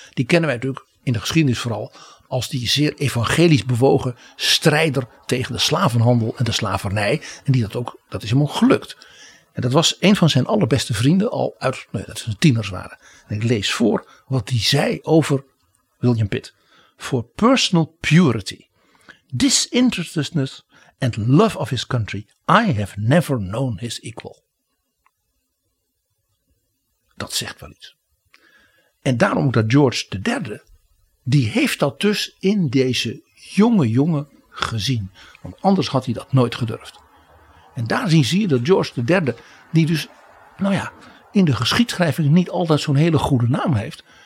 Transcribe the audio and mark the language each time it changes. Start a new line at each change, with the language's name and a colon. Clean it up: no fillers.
Dutch: Die kennen wij natuurlijk in de geschiedenis vooral als die zeer evangelisch bewogen strijder tegen de slavenhandel en de slavernij. En die dat ook, dat is hem ook gelukt. En dat was een van zijn allerbeste vrienden al uit, nee, dat zijn tieners waren. En ik lees voor wat hij zei over William Pitt.
English: For personal purity, disinterestedness and love of his country, I have never known his equal.
Dutch: Dat zegt wel iets. En daarom dat George III, die heeft dat dus in deze jonge jongen gezien. Want anders had hij dat nooit gedurfd. En daar zie je dat George III, die dus, nou ja, in de geschiedschrijving niet altijd zo'n hele goede naam heeft.